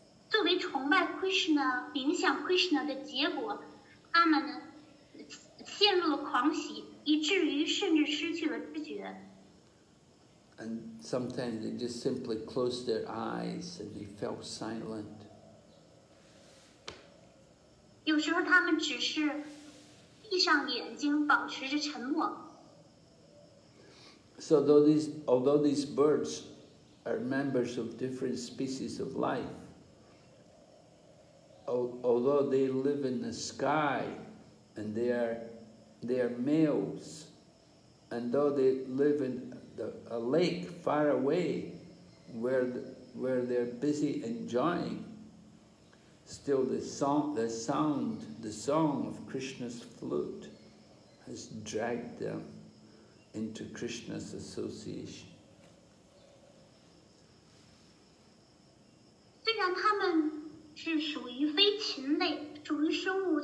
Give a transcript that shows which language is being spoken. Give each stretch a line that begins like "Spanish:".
Chinese: 作为崇拜 Krishna, 冥想 Krishna 的结果，他们陷入了狂喜，以至于甚至失去了知觉。
English: And sometimes they just simply closed their eyes and they fell silent.
Chinese: 有时候他们只是闭上眼睛，保持着沉默。
English: So although these birds are members of different species of life, although they live in the sky, and they are males, and though they live in a lake far away where they're busy enjoying, still the song of Krishna's flute has dragged them into Krishna's association.
Chinese: 虽然他们是属于飞禽类，属于生物，